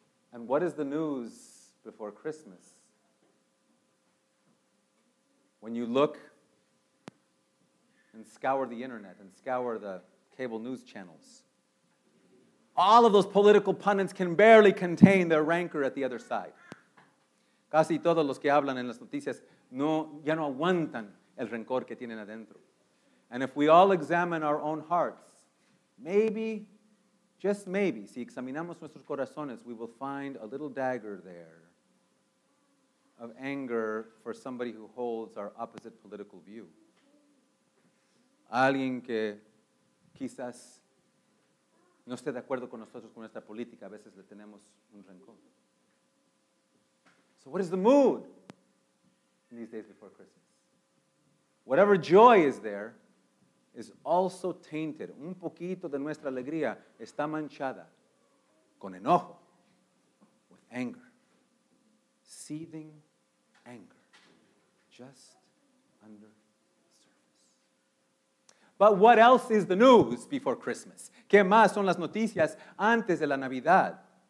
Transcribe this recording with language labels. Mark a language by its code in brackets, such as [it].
[en] And what is the news before Christmas? When you look and scour the internet and scour the cable news channels, all of those political pundits can barely contain their rancor at the other side. [es] Casi todos los que hablan en las noticias ya no aguantan el rencor que tienen adentro. [en] And if we all examine our own hearts, maybe, just maybe, [es] si examinamos nuestros corazones, [en] we will find a little dagger there of anger for somebody who holds our opposite political view. [es] Alguien que quizás no esté de acuerdo con nosotros con nuestra política, a veces le tenemos un rencor. [en] So what is the mood in these days before Christmas? Whatever joy is there is also tainted. [es] Un poquito de nuestra alegría está manchada con enojo, [en] with anger, seething anger, just under the surface. But what else is the news before Christmas? [es] ¿Qué más son las noticias antes de la Navidad?